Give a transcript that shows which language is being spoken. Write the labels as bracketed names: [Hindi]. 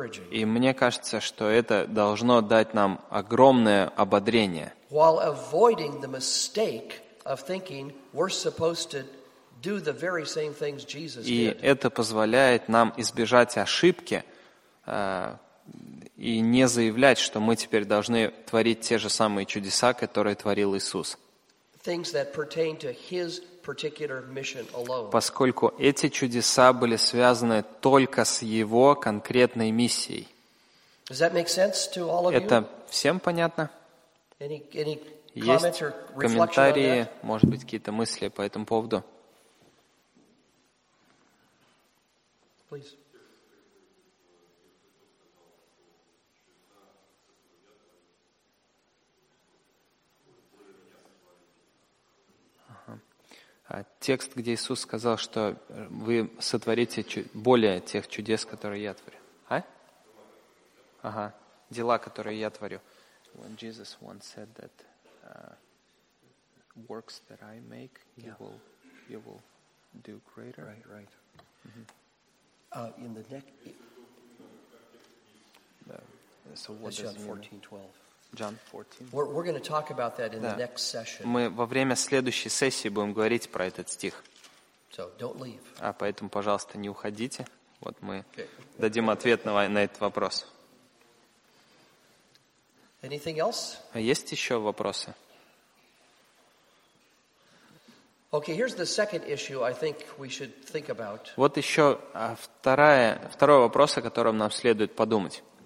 [Russian] И мне кажется, что это должно дать нам огромное ободрение. [English] While avoiding the mistake of thinking we're supposed to do the very same things Jesus did. [Russian] И это позволяет нам избежать ошибки и не заявлять, что мы теперь должны творить те же самые чудеса, которые творил Иисус. [English] Things that pertain to his particular mission alone. [Russian] Поскольку эти чудеса были связаны только с его конкретной миссией. [English] Does that make sense to all of you? [Russian] Это всем понятно? [English] Any comments or [Russian] комментарии, может быть, какие-то мысли по этому поводу? [English] Please. [Russian] Текст, где Иисус сказал, что вы сотворите более тех чудес, которые я творю. А? Ага. Дела, которые я творю. [English] When Jesus once said that works that I make, you will do greater. Right, right. Mm-hmm. In the next... So what That's does John 14, 12. John 14. We're going to talk about that in the next session. [Russian] Мы во время следующей сессии будем говорить про этот стих. [English] So don't leave. [Russian] А поэтому, пожалуйста, не уходите. Вот мы дадим ответ на этот вопрос. [English] Anything else? [Russian] А есть еще вопросы? [English] Okay, here's the second issue I think we should think about. [Russian] Вот еще второй вопрос, о котором нам следует подумать.